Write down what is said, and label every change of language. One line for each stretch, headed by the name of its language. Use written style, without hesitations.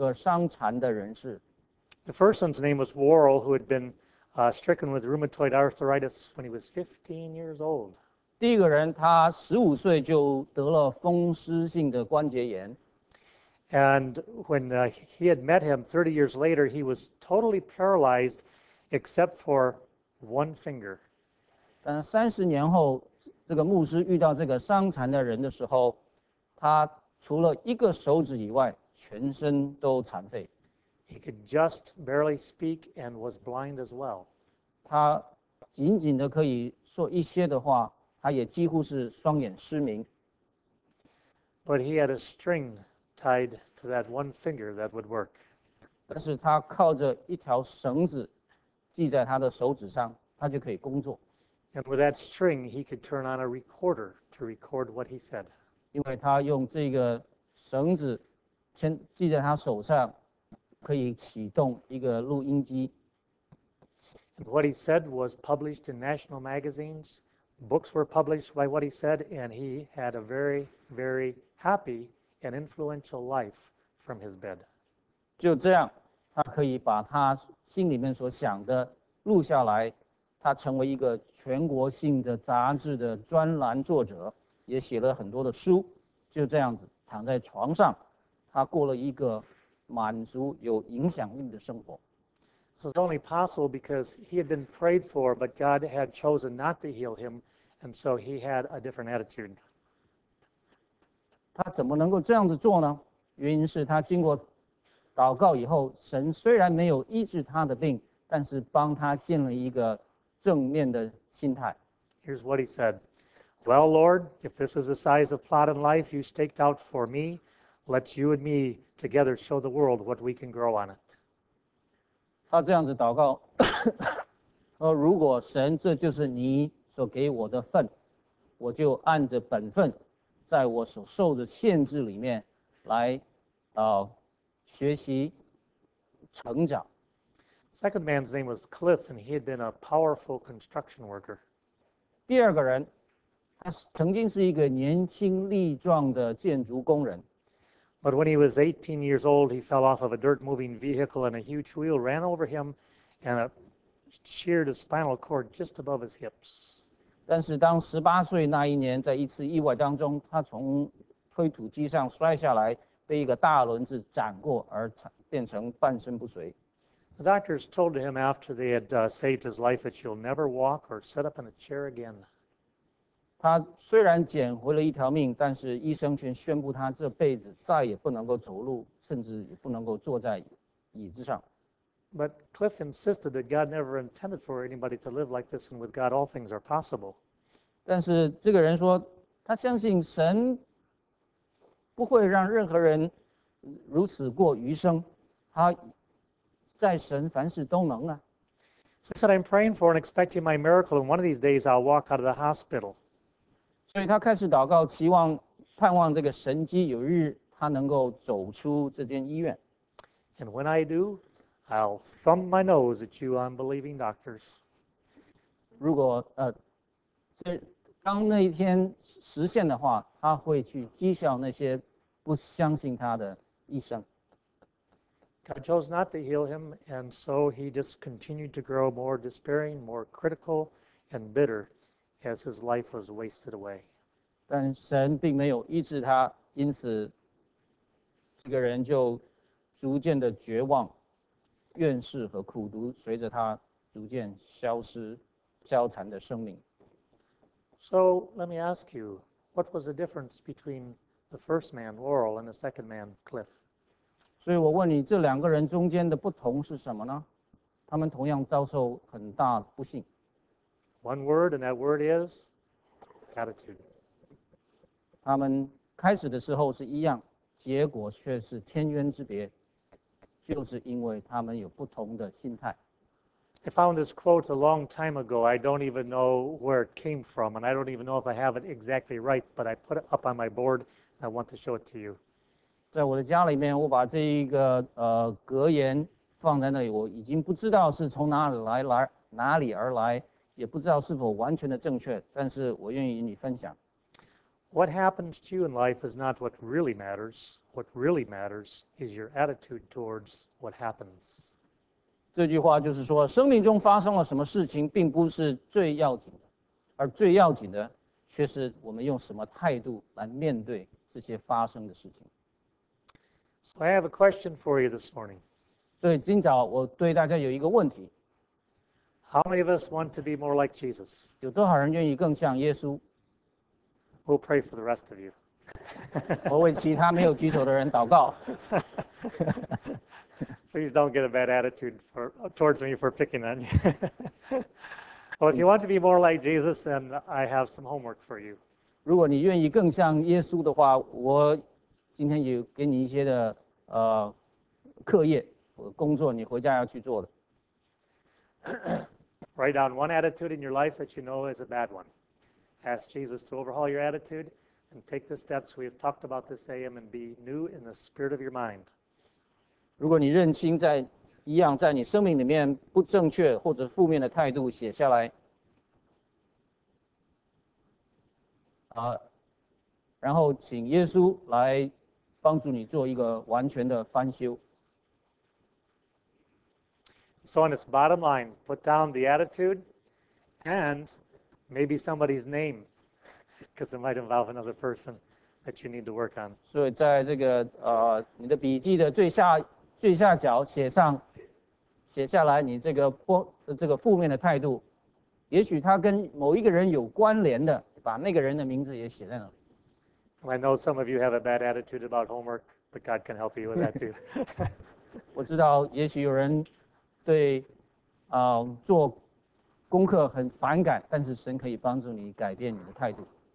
Chinese: 他说他在早期服事的阶段里面遇到两个伤残的人士。The
English: first one's name was Worrell, who had been stricken with rheumatoid arthritis when he was 15 years old.
Chinese: 第一个人他15岁就得了风湿性的关节炎。
English: And when he had met him 30 years later, he was totally paralyzed except for one finger.
Chinese: 但30年后，这个牧师遇到这个伤残的人的时候，他除了一个手指以外，全身都残废。
English: He could just barely speak and was blind as well.
Chinese: 他仅仅的可以说一些的话，他也几乎是双眼失明。
English: But he had a string tied to that one finger that would work.
Chinese: 但是他靠着一条绳子系在他的手指上，他就可以工作。
English: And with that string, he could turn on a recorder to record what he said.
Chinese: 因为他用这个绳子系在他手上，可以启动一个录音机。
English: And what he said was published in national magazines. Books were published by what he said, and he had a very, very happy and influential life from his bed.
Chinese: 就这样，他可以把他心里面所想的录下来，他成为一个全国性的杂志的专栏作者，也写了很多的书。就这样子躺在床上，他过了一个满足有影响力的生活。
English: This is only possible because he had been prayed for, but God had chosen not to heal him, and so he had a different attitude.
Chinese: 他怎么能够这样子做呢？原因是他经过祷告以后，神虽然没有医治他的病，但是帮他建了一个正面的心态。
English: Here's what he said. Well, Lord, if this is the size of plot in life you staked out for me, let you and me together show the world what we can grow on it.
Chinese: 他这样子祷告，如果神这就是你所给我的份，我就按着本分，在我所受的限制里面来学习成长。
English: Second man's name was Cliff, and he had been a powerful construction worker.
Chinese: 第二个人，他曾经是一个年轻力壮的建筑工人。
English: But when he was 18 years old, he fell off of a dirt moving vehicle and a huge wheel ran over him and sheared his spinal cord just above his hips.
Chinese: 但是当18岁那一年，在一次意外当中，他从推土机上摔下来，被一个大轮子斩过而变成半身不遂。
English: The doctors told him after they had saved his life that you'll never walk or sit up in a chair again.
Chinese: 他虽然捡回了一条命，但是医生却宣布他这辈子再也不能够走路，甚至也不能够坐在椅子上。
English: But Cliff insisted that God never intended for anybody to live like this, and with God, all things are possible.
Chinese: 但是这个人说，他相信神不会让任何人如此过余生。他在神凡事都能啊。
English: So he said, I'm praying for and expecting my miracle, and one of these days I'll walk out of the hospital.
Chinese: 所以他开始祷告，期望、盼望这个神迹，有日他能够走出这间医院。
English: And when I do, I'll thumb my nose at you unbelieving doctors.
Chinese: 如果当那一天实现的话，他会去讥笑那些不相信他的医生。
English: God chose not to heal him, and so he just continued to grow more despairing, more critical, and bitter as his life was wasted away.
Chinese: 但神并没有医治他，因此这个人就逐渐的绝望，怨世和苦毒随着他逐渐消失，消残的生命。
English: So let me ask you, what was the difference between the first man, Laurel, and the second man, Cliff?
Chinese: 所以我问你，这两个人中间的不同是什么呢？他们同样遭受很大不幸。
English: One word, and that word is attitude.
Chinese: 他们开始的时候是一样，结果却是天渊之别，就是因为他们有不同的心态。
English: I found this quote a long time ago. I don't even know where it came from, and I don't even know if I have it exactly right, but I put it up on my board, and I want to show it to you.
Chinese: 在我的家里面，我把这一个格言放在那里，我已经不知道是从哪里而来，也不知道是否完全的正确，但是我愿意与你分享。
English: What happens to you in life is not what really matters. What really matters is your attitude towards what happens.
Chinese: 这句话就是说，生命中发生了什么事情，并不是最要紧的，而最要紧的却是我们用什么态度来面对这些发生的事情。
English: So I have a question for you this morning.
Chinese: 所以今早我对大家有一个问题。
English: How many of us want to be more like Jesus?
Chinese: 有多少人愿意更像耶稣？
English: We'll pray for the rest of you.
Chinese: 我为其他没有举手的人祷告。
English: Please don't get a bad attitude towards me for picking on you. Well, if you want to be more like Jesus, then I have some homework for you.
Chinese: 如果你愿意更像耶稣的话，我今天有给你一些的课业，工作你回家要去做的。
English: Write down one attitude in your life that you know is a bad one. Ask Jesus to overhaul your attitude and take the steps we have talked about this AM and be new in the spirit of your mind.
Chinese: 如果你认清在一样在你生命里面不正确或者负面的态度写下来，然后请耶稣来帮助你做一个完全的翻修。
English: So on its bottom line, put down the attitude and maybe somebody's name, because it might involve another person that you need to work on.
Chinese: 所以在这个你的笔记的最下角写下来你这个不这个负面的态度，也许他跟某一个人有关联的，把那个人的名字也写在那里。
English: I know some of you have a bad attitude about homework, but God can help you with that too.
Chinese: 我知道，也许有人对做功课很反感，但是神可以帮助你改变你的态度。